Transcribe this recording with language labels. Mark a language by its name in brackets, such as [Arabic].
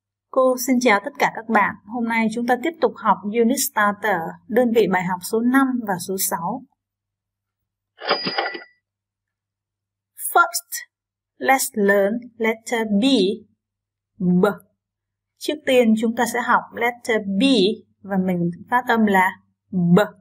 [Vietnamese] Cô xin chào tất cả các bạn. Hôm nay chúng ta tiếp tục học unit starter, đơn vị bài học số 5 và số 6. [English] First, let's learn letter B. B. [Vietnamese] Trước tiên chúng ta sẽ học letter B và mình phát âm là B.